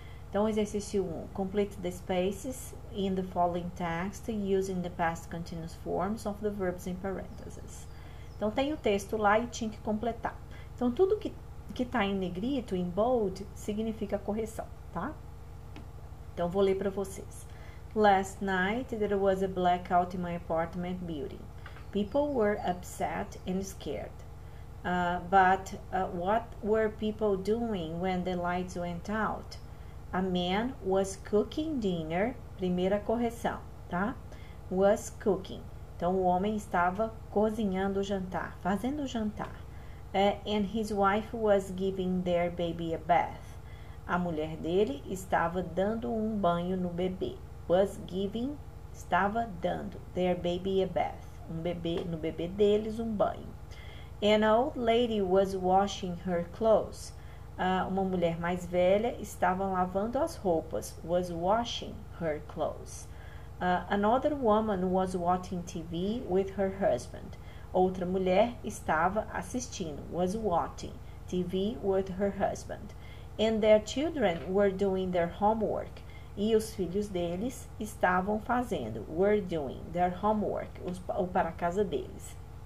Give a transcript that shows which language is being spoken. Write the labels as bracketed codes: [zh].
[pt] Então, exercício 1: [en] complete the spaces in the following text using the past continuous forms of the verbs in parentheses. [pt] Então, tem o texto lá e tinha que completar. Então, tudo que está em negrito, em bold, significa correção, tá? Então, vou ler para vocês. [en] Last night there was a blackout in my apartment building. People were upset and scared. But what were people doing when the lights went out? A man was cooking dinner. [pt] Primeira correção, tá? [en] Was cooking. [pt] Então o homem estava cozinhando o jantar, fazendo o jantar. [en] And his wife was giving their baby a bath. [pt] A mulher dele estava dando um banho no bebê. [en] Was giving, [pt] estava dando [en] their baby a bath. [pt] No bebê deles, um banho. [en] An old lady was washing her clothes. [pt] Uma mulher mais velha estava lavando as roupas. [en] Was washing her clothes. Another woman was watching TV with her husband. [pt] Outra mulher estava assistindo. [en] Was watching TV with her husband. And their children were doing their homework. [pt] E os filhos deles estavam fazendo, [en] were doing their homework, [pt] ou para a casa deles.